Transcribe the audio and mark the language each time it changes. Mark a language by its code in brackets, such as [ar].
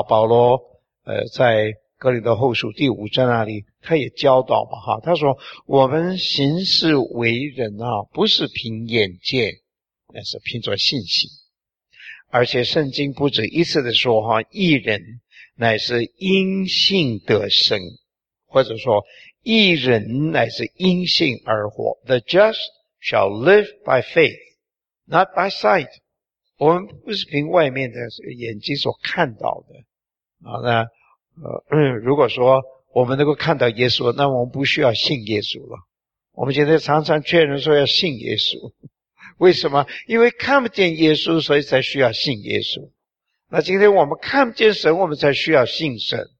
[zh] 保罗在哥林多后书第五章那里他也教导嘛，他说我们行事为人啊，不是凭眼见，那是凭着信心。而且圣经不止一次的说义人乃是因信得生，或者说义人乃是因信而活。 [en] The just shall live by faith, not by sight. [zh] 我们不是凭外面的眼睛所看到的。如果说我们能够看到耶稣，那我们不需要信耶稣了。我们现在常常劝人说要信耶稣。为什么？因为看不见耶稣，所以才需要信耶稣。那今天我们看不见神，我们才需要信神。